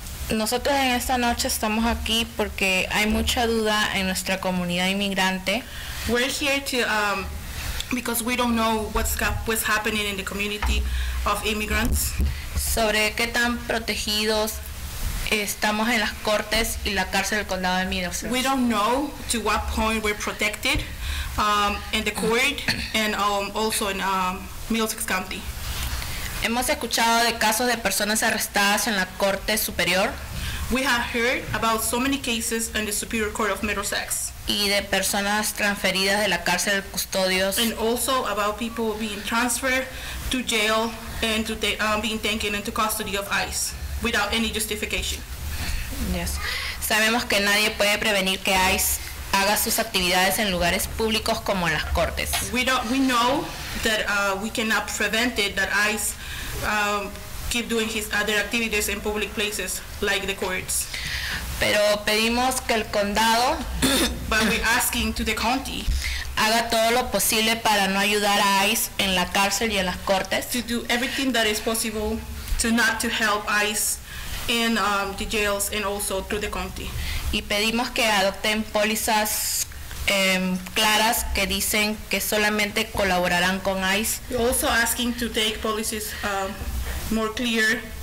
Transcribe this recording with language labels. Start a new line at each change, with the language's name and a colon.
Spanish: Nosotros en esta noche estamos aquí porque hay mucha duda en nuestra comunidad inmigrante.
English: We're here to because we don't know what's happening in the community of immigrants.
Spanish: Sobre qué tan protegidos estamos en las cortes y la cárcel del condado de Middlesex.
English: We don't know to what point we're protected in the court and also in Middlesex County.
Spanish: Hemos escuchado de casos de personas arrestadas en la corte superior.
English: We have heard about so many cases in the Superior Court of Middlesex.
Spanish: Y de personas transferidas de la cárcel de custodios.
English: And also about people being transferred to jail and to being taken into custody of ICE without any justification. Yes.
Spanish: Sabemos que nadie puede prevenir que ICE haga sus actividades en lugares públicos como en las cortes.
English: We know that we cannot prevent it, that ICE keep doing his other activities in public places like the courts.
Spanish: Pero pedimos que el condado
English: but we're asking to the county
Spanish: haga todo lo posible para no ayudar a ICE en la cárcel y en las cortes.
English: To do everything that is possible to not to help ICE in the jails and also through the county.
Spanish: Y pedimos que adopten pólizas claras que dicen que solamente colaborarán con ICE.
English: We're also asking to take policies more clear